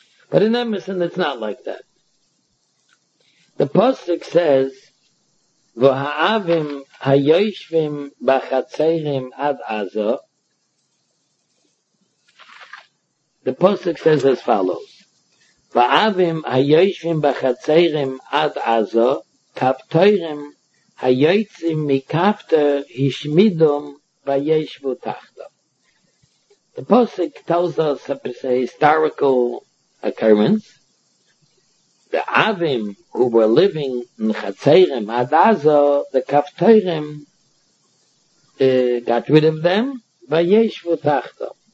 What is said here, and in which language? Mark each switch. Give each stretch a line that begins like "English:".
English: But in Emerson, it's not like that. The Pasuk says,
Hebrew: V'ha'avim ha'yoshvim b'chatzerim ad azo.
English: The Pasuk says as follows.
Hebrew: ואבים היושבים בחצרים עד עזו, כפתורים היוצים מכפתור השמידום וישבו תחתו.
English: The Pasuk tells us a historical occurrence. The Avim who were living in Chatzerim Ad Azo, the Kaftorim got rid of them, Vayeshvu Tachto.